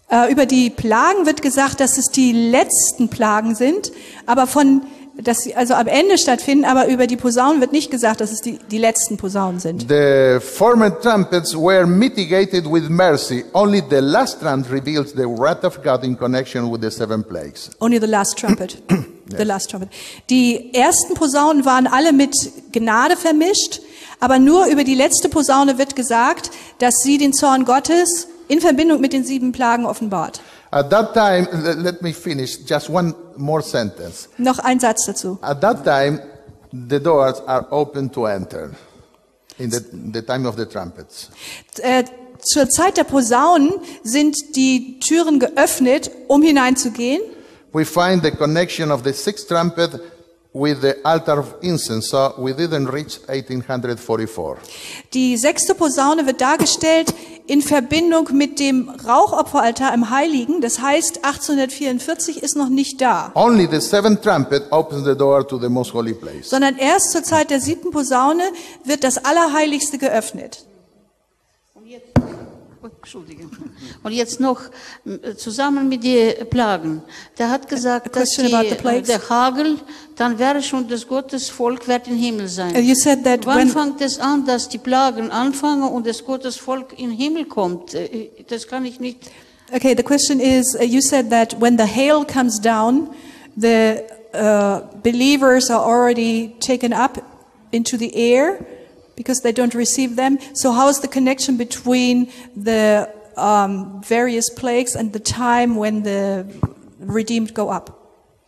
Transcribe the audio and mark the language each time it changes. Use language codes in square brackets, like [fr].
[de] Über die Plagen wird gesagt, dass es die letzten Plagen sind, aber dass sie also am Ende stattfinden, aber über die Posaunen wird nicht gesagt, dass es die letzten Posaunen sind. [en] The former trumpets were mitigated with mercy. Only the last trumpet reveals the wrath of God in connection with the seven plagues. Only the last trumpet. The last trumpet. [de] Die ersten Posaunen waren alle mit Gnade vermischt, aber nur über die letzte Posaune wird gesagt, dass sie den Zorn Gottes in Verbindung mit den sieben Plagen offenbart. [en] At that time, let me finish just one more sentence. [de] Noch ein Satz dazu. [en] At that time, the doors are open to enter in the time of the trumpets. [de] zur Zeit der Posaunen sind die Türen geöffnet, um hineinzugehen. [en] We find the connection of the sixth trumpet with the altar of incense, so we didn't reach 1844. [de] Die sechste Posaune wird dargestellt in Verbindung mit dem Rauchopferaltar im Heiligen, das heißt 1844 ist noch nicht da. [en] Only the seventh trumpet opens the door to the most holy place. [de] Sondern erst zur Zeit der siebten Posaune wird das Allerheiligste geöffnet. Und jetzt noch zusammen mit den Plagen. Der hat gesagt, dass der Hagel, dann wäre schon das Gottesvolk wird im Himmel sein. [en] You said that [de] wann fängt es an, dass die Plagen anfangen und das Gottesvolk im Himmel kommt? Das kann ich nicht. [en] Okay, the question is, you said that when the hail comes down, the believers are already taken up into the air, because they don't receive them. So how is the connection between the various plagues and the time when the redeemed go up?